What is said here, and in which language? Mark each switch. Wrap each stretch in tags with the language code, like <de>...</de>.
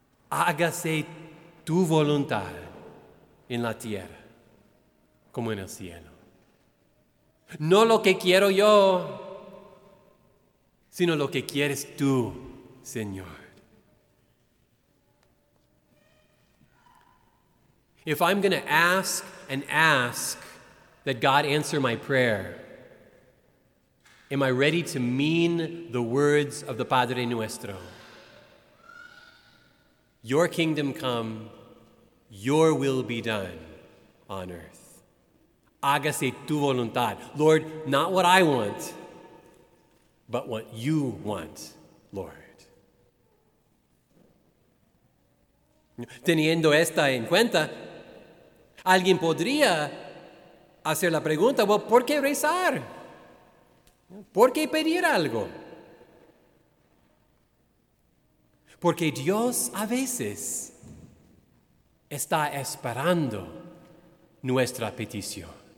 <es>Hágase tu voluntad en la tierra como en el cielo. No lo que quiero yo, sino lo que quieres tú, Señor.</es> <en>If I'm going to ask and ask that God answer my prayer, am I ready to mean the words of the Padre Nuestro? Your kingdom come, your will be done on earth.</en> <es>Hágase tu voluntad.</es> <en>Lord, not what I want, but what you want, Lord.</en> <es>Teniendo esta en cuenta, alguien podría hacer la pregunta, well, ¿por qué rezar? ¿Por qué pedir algo? Porque Dios a veces está esperando nuestra petición.</es>